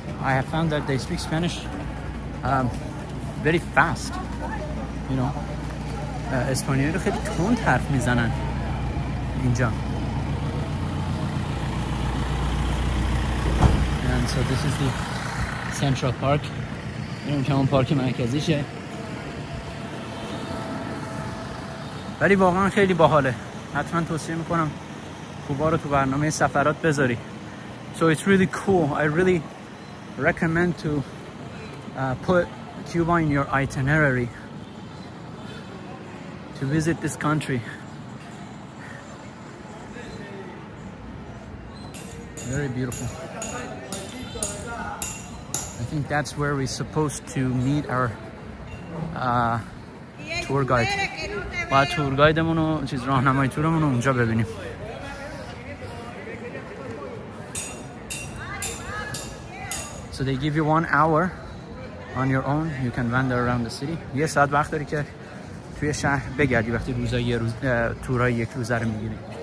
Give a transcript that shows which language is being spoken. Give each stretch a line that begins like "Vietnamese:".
English: I have found that they speak Spanish very fast. You know,
Persian: اسپانیایی رو خیلی تند حرف میزنن اینجا.
English: And so this is the Central Park.
Persian: اینم که اون پارک مرکزیشه. ولی واقعا خیلی باحاله. حتما توصیه میکنم کوبا رو تو برنامه سفرات بذاری.
English: So it's really cool. I really recommend to put Cuba in your itinerary to visit this country. Very beautiful. I think that's where we're supposed to meet our tour guide.
Persian: باید تور گایدمون و چیز راهنمای تورمون رو اونجا ببینیم.
English: So they give you 1 hour on your own. You can wander around the city.
Persian: یه ساعت وقت داری که توی شهر بگردی وقتی روزای یه روز تورای یک روزه رو میگیری.